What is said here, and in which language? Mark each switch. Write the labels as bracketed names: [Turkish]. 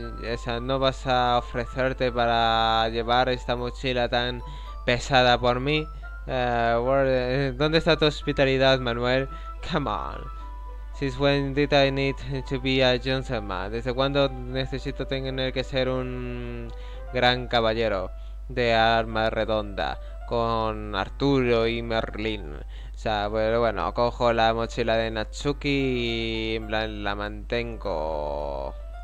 [Spanish] O sea, no vas a ofrecerte para llevar esta mochila tan pesada por mí. ¿Dónde está tu hospitalidad, Manuel? [English] Come on. Since when did I need to be a gentleman? [Spanish] ¿Desde cuándo necesito tener que ser un gran caballero de arma redonda con Arturo y Merlín? O sea, pero bueno, cojo la mochila de Natsuki y en plan la mantengo.